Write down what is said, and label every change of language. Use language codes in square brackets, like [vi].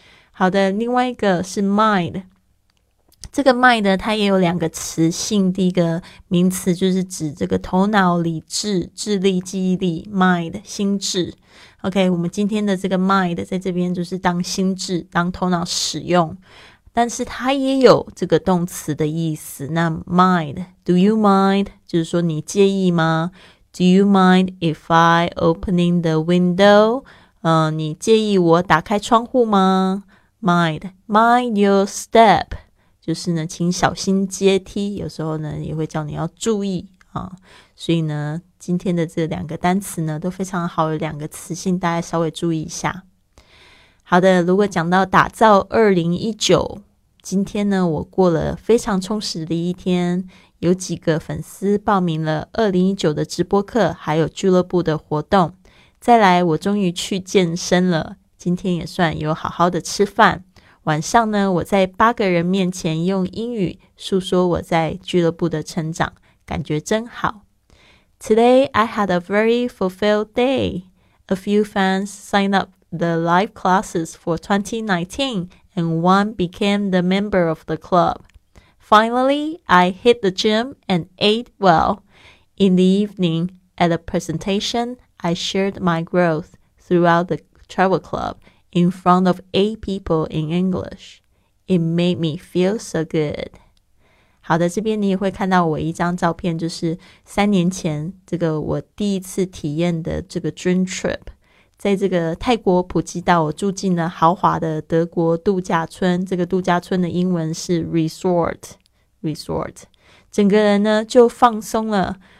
[zh] 好的，另外一个是 mind, 这个 mind 它也有两个词性，第一个名词就是指这个头脑、理智、智力、记忆力， mind, 心智。 OK, 我们今天的这个 mind 在这边就是当心智，当头脑使用，但是它也有这个动词的意思。那 mind, [en] do you mind, [zh] 就是说你介意吗？ [en] Do you mind if I opening the window, [zh] 你介意我打开窗户吗？ Mind, [en] mind your step, [zh] 就是呢请小心阶梯，有时候呢也会叫你要注意啊。所以呢今天的这两个单词呢都非常好，有两个词性，大家稍微注意一下。好的，如果讲到打造 2019, 今天呢我过了非常充实的一天，有几个粉丝报名了2019的直播课还有俱乐部的活动，再来我终于去健身了，今天也算有好好的吃饭。晚上呢我在八个人面前用英语诉说我在俱乐部的成长，感觉真好。 [en] Today I had a very fulfilled day. A few fans signed up the live classes for 2019 and one became the member of the club. Finally, I hit the gym and ate well. In the evening, at a presentation, I shared my growth throughout the travel club in front of 8 people in English. It made me feel so good. [zh] 好的，这边你也会看到我一张照片，就是三年前这个我第一次体验的这个 dream trip, 在这个泰国普吉岛住进了豪华的德国度假村，这个度假村的英文是 resort， 整个人呢就放松了。